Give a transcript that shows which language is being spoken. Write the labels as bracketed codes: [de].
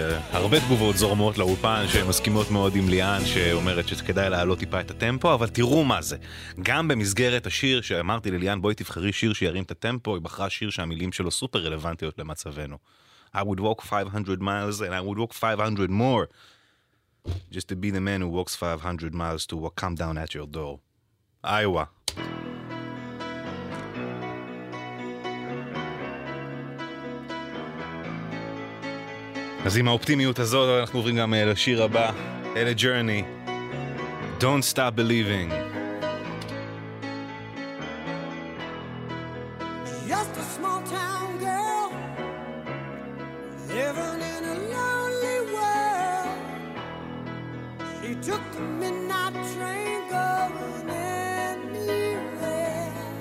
[he] הרבה תגובות זורמות לאופן שמסכימות מאוד עם ליאן שאומרת שכדאי להעלות טיפה את הטמפו, אבל תראו מה זה. גם במסגרת השיר שאמרתי לליאן, בואי תבחרי שיר שירים את הטמפו, היא בחרה שיר שהמילים שלו סופר רלוונטיות למצבנו. [en] I would walk 500 miles and I would walk 500 more just to be the man who walks 500 miles to walk come down at your door. Iowa. [he] אז עם האופטימיות הזאת אנחנו עוברים גם לשיר הבא, אל הג'רני, Don't Stop Believing. [en] Just a small town girl living in a lonely world. She took the midnight train going anywhere.